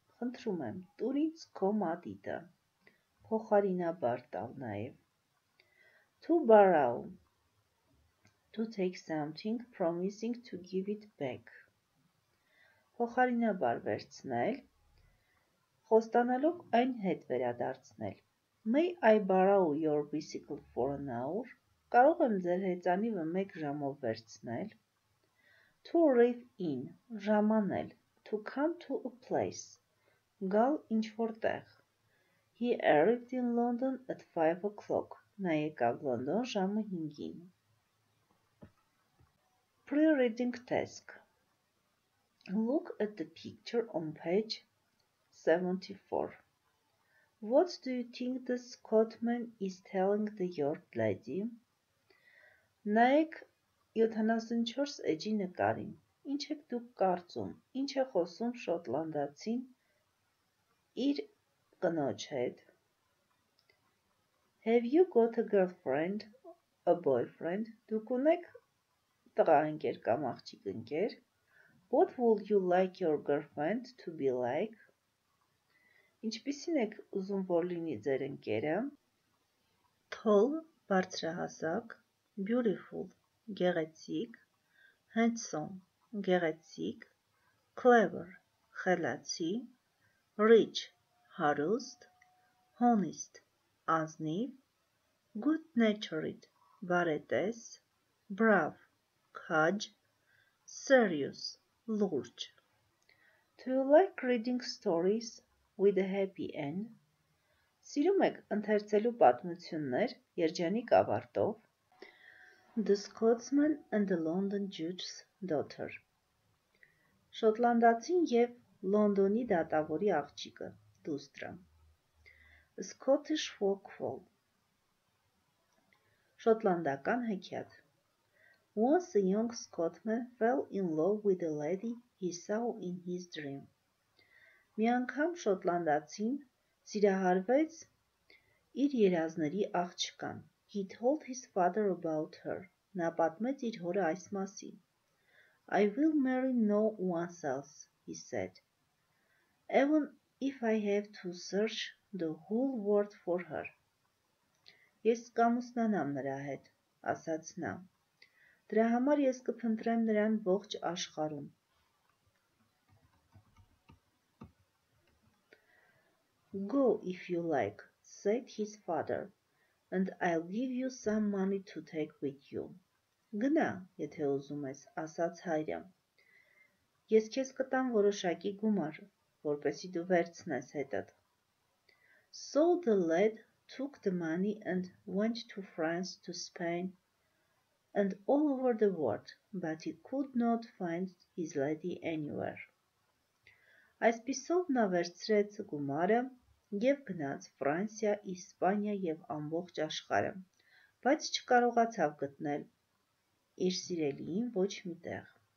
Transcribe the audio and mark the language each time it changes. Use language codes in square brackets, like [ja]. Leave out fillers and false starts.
[hy] Խնդրում եմ, տուր ինձ քո մատիտը. Փոխարինաբար տալ նաև. [en] To borrow. To take something promising to give it back. [hy] Փոխարինաբար վերցնել, խոստանալով այն հետ վերադարձնել. [en] May I borrow your bicycle for an hour? [hy] Կարող եմ ձեր հեծանիվը մեկ ժամով վերցնել. [en] To arrive in, [hy] ժամանել. [en] To come to a place, [hy] գալ ինչ-որ տեղ. [en] He arrived in London at 5 o'clock. [hy] Նա եկավ Լոնդոն ժամը 5-ին. [en] Pre-reading task. Look at the picture on page 74. What do you think the Scotsman is telling the York lady? [hy] Նայեք 74 էջի նկարին, ինչ եք դուք կարծում, ինչ է խոսում շոտլանդացին իր կնոջ հետ. [en] Have you got a girlfriend, a boyfriend? [hy] Դուք ունեք տղա ընկեր կամ աղջիկ ընկեր? [en] What would you like your girlfriend to be like? [hy] Ինչպիսին եք ուզում, որ լինի ձեր ընկերը? [en] Tall, [hy] բարձրահասակ. [en] Beautiful, [hy] գեղեցիկ. [en] Handsome, [hy] գեղեցիկ. [en] Clever, [hy] խելացի. [en] Rich, [hy] հարուստ. [en] Honest, [hy] ազնիվ. [en] Good-natured, [hy] բարետես. [en] Brave, [hy] քաջ. [en] Serious, [hy] լուրջ. [en] Do you like reading stories with a happy end? [hy] Սիրում եք ընթերցելու պատմություններ երջանիկ ավարտով? [en] The Scotsman and the London Judge's Daughter. [hy] Շոտլանդացին եւ Լոնդոնի դատավորի աղջիկը, դուստրը. [en] Scottish Folktale. [hy] Շոտլանդական հեքիաթ. [en] Once a young Scotsman fell in love with a lady he saw in his dream. [hy] Մի անգամ շոտլանդացին սիրահարվեց իր երազների աղջկան. [en] He told his father about her. [hy] Նա պատմեց իր հորը այս մասին. [en] I will marry no one else, he said. Even if I have to search the whole world for her. [hy] Ես կամուսնանամ նրա հետ, ասաց նա. Դրա համար ես կփնտրեմ նրան ողջ աշխարհում. [en] Go if you like, said his father, and I'll give you some money to take with you. [hy] Գնա, եթե ուզում ես, ասաց հայրը. Ես քեզ կտամ որոշակի գումար, որպեսզի դու վերցնես հետդ. [en] So the lad took the money and went to France, to Spain, and all over the world, but he could not find his lady anywhere. [hy] Այսպիսով նա վերցրեց գումարը և գնաց Ֆրանսիա, Իսպանիա և ամբողջ աշխարհը, բայց չկարողացավ գտնել իր սիրելիին ոչ մի տեղ.